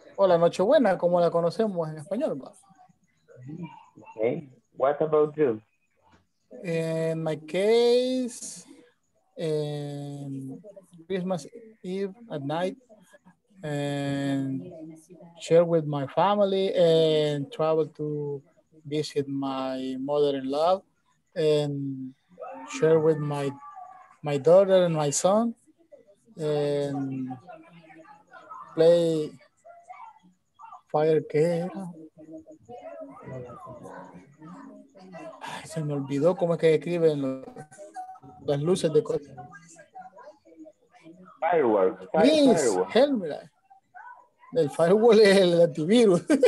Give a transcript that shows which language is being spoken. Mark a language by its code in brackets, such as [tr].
[es] O la Nochebuena, como la conocemos en español. [en] Ok. What about you? In my case, in Christmas Eve at night, and share with my family, and travel to visit my mother-in-law, and share with my daughter and my son, and play fire game. [es] Ay, se me olvidó cómo es que escriben las luces de cosas. [en] Fireworks. [es] Helmera. El firewall es el antivirus.